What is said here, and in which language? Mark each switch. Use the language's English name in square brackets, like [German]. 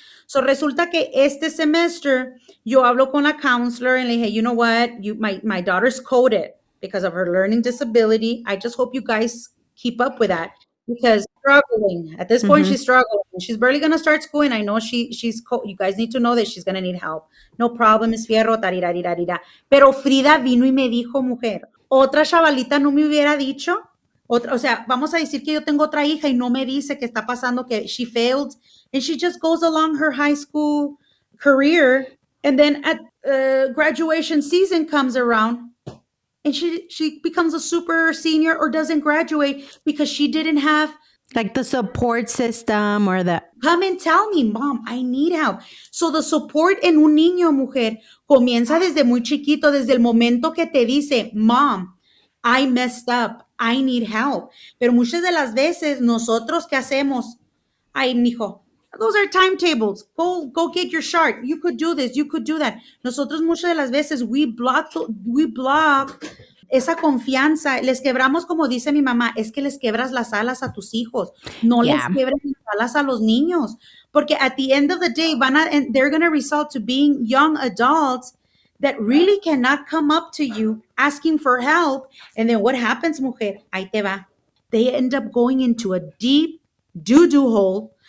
[English] So [Spanish] resulta que este semestre, yo hablo con la counselor and le dije, [English] you know what, my daughter's coded because of her learning disability. I just hope you guys keep up with that because struggling. At this point, mm-hmm. she's struggling. She's barely going to start school. And I know you guys need to know that she's going to need help. [Spanish] No problem, es Fierro, tarirarirarira. Pero Frida vino y me dijo, mujer, otra chavalita no me hubiera dicho. O sea, vamos a decir que yo tengo otra hija y no me dice que está pasando, que [English] she failed. And she just goes along her high school career And then at graduation season comes around, and she becomes a super senior or doesn't graduate because she didn't have like the support system or the come and tell me, mom, I need help. [Spanish] So the support en un niño mujer comienza desde muy chiquito, desde el momento que te dice, [English] mom, I messed up, I need help. [Spanish] Pero muchas de las veces nosotros qué hacemos, ay mijo, [English] those are timetables. Go get your shark. You could do this. You could do that. [Spanish] Nosotros muchas de las veces [English] we block [Spanish] esa confianza. Les quebramos, como dice mi mamá, es que les quebras las alas a tus hijos. No yeah. les quebras las alas a los niños. [English] Porque at the end of the day, they're going to result to being young adults that really cannot come up to you asking for help. And then what happens, mujer? [Spanish] Ahí te va. [English] They end up going into a deep doo-doo hole.